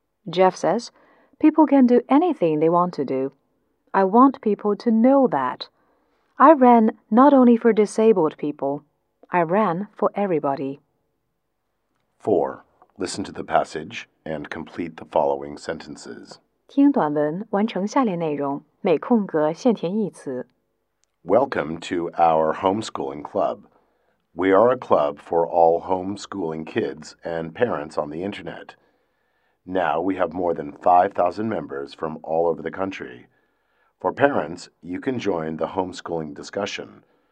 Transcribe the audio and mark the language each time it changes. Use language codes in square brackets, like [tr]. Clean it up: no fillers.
[en] Jeff says, people can do anything they want to do. I want people to know that. I ran not only for disabled people. I ran for everybody. 4. Listen to the passage and complete the following sentences. [zh] 听短文，完成下列内容，每空格限填一词。 [en] Welcome to our homeschooling club. We are a club for all homeschooling kids and parents on the internet. Now we have more than 5,000 members from all over the country. For parents, you can join the homeschooling discussion.